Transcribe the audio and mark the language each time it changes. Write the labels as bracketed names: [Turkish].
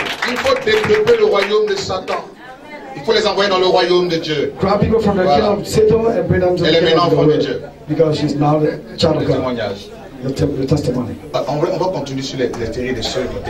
[French] Il faut développer le royaume de Satan. Il faut les envoyer dans le royaume de Dieu. [English] Grab people from the kingdom of Satan and bring them to the kingdom of [French] Dieu. [English] Because she's now the child of God. [French] Le témoignage. Le [English] testimony. [French] On va continuer sur les théories des soeurs.